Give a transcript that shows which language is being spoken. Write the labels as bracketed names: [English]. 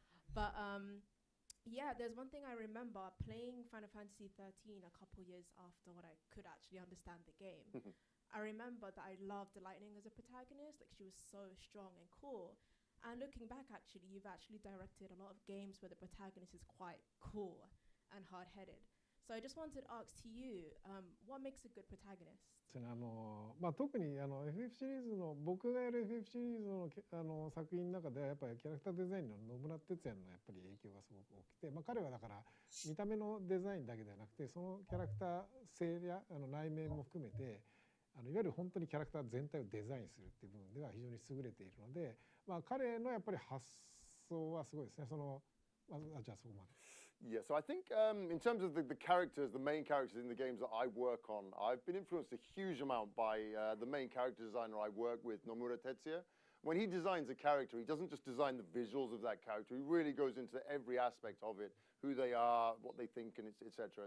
[English] But yeah, there's one thing I remember playing Final Fantasy 13 a couple years after what I could actually understand the game. I remember that I loved Lightning as a protagonist, like she was so strong and cool. And looking back, actually, you've actually directed a lot of games where the protagonist is quite cool and hard-headed. So I just wanted to ask to you, what makes a good protagonist? [Japanese] FF series, 僕がやる FF シリーズの作品の中ではやっぱりキャラクターデザインの野村哲也のやっぱり影響がすごく大きくて、彼はだから見た目のデザインだけではなくて、そのキャラクター性や内面も含めて、いわゆる本当にキャラクター全体をデザインするっていう部分では非常に優れているので、彼のやっぱり発想はすごいですね。じゃあそこまで。 [English] Yeah, so I think in terms of the characters, the main characters in the games that I work on, I've been influenced a huge amount by the main character designer I work with, Nomura Tetsuya. When he designs a character, he doesn't just design the visuals of that character, he really goes into every aspect of it, who they are, what they think, and et cetera.